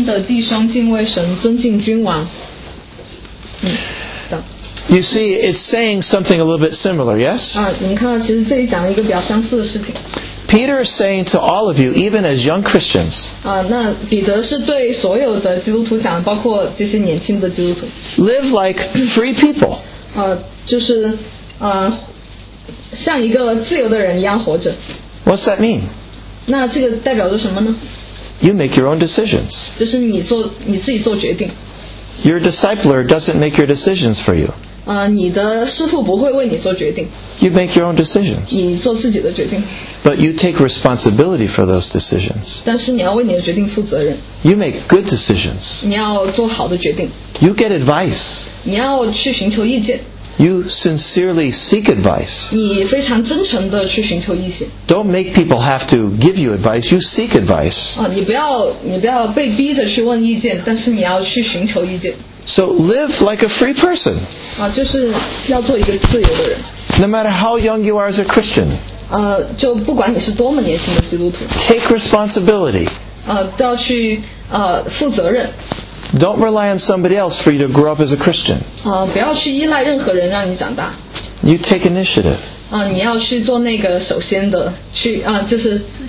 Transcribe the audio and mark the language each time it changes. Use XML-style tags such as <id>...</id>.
<zh>你们虽是自由的，却不可借着自由遮盖阴毒、遮盖恶毒，总要做神的仆人，务要尊敬众人，亲爱教中的弟兄，敬畏神，尊敬君王。</zh> <en>You see, it's saying something a little bit similar, yes?</en> <zh>你们看到其实这里讲了一个比较相似的事情。</zh> <en>Peter is saying to all of you, even as young Christians,</en> <zh>那彼得是对所有的基督徒讲，包括这些年轻的基督徒。</zh> <en>Live like free people.</en> <zh>就是像一个自由的人一样活着。</zh> <en>What's that mean?</en> <zh>那这个代表着什么呢？</zh> <en>You make your own decisions.</en> <zh>就是你自己做决定。</zh> <en>Your discipler doesn't make your decisions for you.</en> <zh>你的师父不会为你做决定。</zh> <en>You make your own decisions.</en> <zh>你做自己的决定。</zh> <en>But you take responsibility for those decisions.</en> <zh>但是你要为你的决定负责任。</zh> <en>You make good decisions.</en> <zh>你要做好的决定。</zh> <en>You get advice.</en> <zh>你要去寻求意见。</zh> <en>You sincerely seek advice.</en> <zh>你非常真诚地去寻求意见。</zh> <en>Don't make people have to give you advice. You seek advice.</en> <zh>你不要被逼着去问意见，但是你要去寻求意见。</zh> <en>So live like a free person.</en> <zh>就是要做一个自由的人。</zh> <en>No matter how young you are as a Christian.</en> <zh>就不管你是多么年轻的基督徒。</zh> <en>Take responsibility.</en> <zh>都要去负责任。</zh> <en>Don't rely on somebody else for you to grow up as a Christian.</en> <zh>不要去依赖任何人让你长大。</zh> <en>You take initiative.</en> <zh>你要去做那个首先的，去就是。</zh>